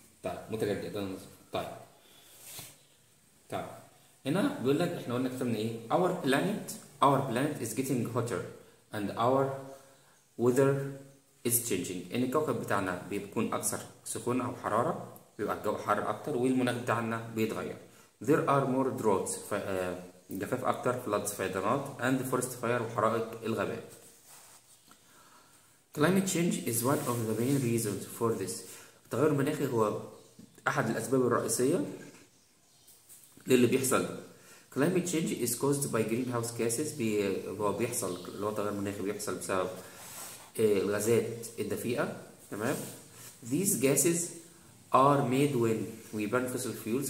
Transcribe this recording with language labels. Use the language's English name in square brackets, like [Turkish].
[Arabic] طيب متجددة نظيفة. طيب هنا بيقول لك احنا قلنا كتبنا ايه؟ [English] Our planet is getting hotter and our weather is changing. [Arabic] ان الكوكب بتاعنا بيكون اكثر سخونة او حرارة، بيبقى الجو حر اكتر والمناخ بتاعنا بيتغير. [English] There are more droughts، [Arabic] جفاف اكتر، [English] floods، [Arabic] فيضانات، [English] and forest fire، [Arabic] وحرائق الغابات. [English] Climate change is one of the main reasons for this. [Arabic] التغير المناخي هو أحد الأسباب الرئيسية للي بيحصل ده. [English] Climate change is caused by greenhouse gases. [Arabic] هو بيحصل اللي هو التغير المناخي بيحصل بسبب الغازات الدفيئة، تمام؟ [English] These gases are made when we burn fossil fuels.